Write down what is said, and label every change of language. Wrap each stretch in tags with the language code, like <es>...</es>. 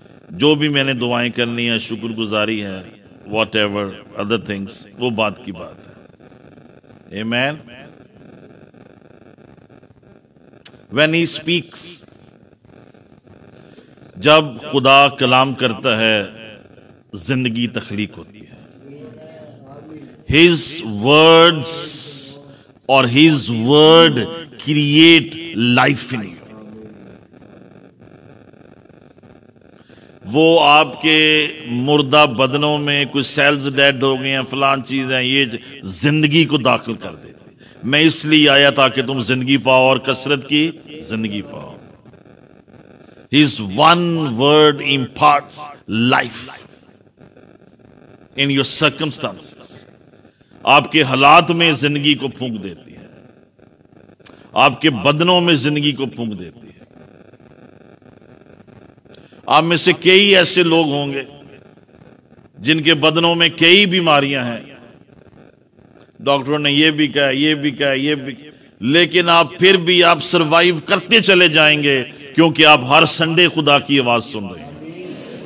<ur>جو بھی میں نے دعائیں کرنی ہیں, شکر گزاری ہیں,</ur> <en>whatever other things,</en> <ur>وہ بات کی بات ہے. آمین.</ur> <en>When he speaks,</en> <ur>جب خدا کلام کرتا ہے زندگی تخلیق ہوتی ہے.</ur> <en>His words اور his word create life in you.</en> <ur>وہ آپ کے مردہ بدنوں میں کچھ سیلز ڈیڈ ہو گئے ہیں, فلان چیز ہیں, یہ زندگی کو داخل کر دے. میں اس لیے آیا تاکہ تم زندگی پاؤ اور کثرت کی زندگی پاؤ.</ur> <en>His one word imparts life in your circumstances.</en> <ur>آپ کے حالات میں زندگی کو پھونک دیتی ہے, آپ کے بدنوں میں زندگی کو پھونک دیتی ہے. آپ میں سے کئی ایسے لوگ ہوں گے جن کے بدنوں میں کئی بیماریاں ہیں, ڈاکٹروں نے یہ بھی کہا, یہ بھی کہا, یہ بھی, لیکن آپ پھر بھی آپ سروائیو کرتے چلے جائیں گے, کیونکہ آپ ہر سنڈے خدا کی آواز سن رہے ہیں,</ur>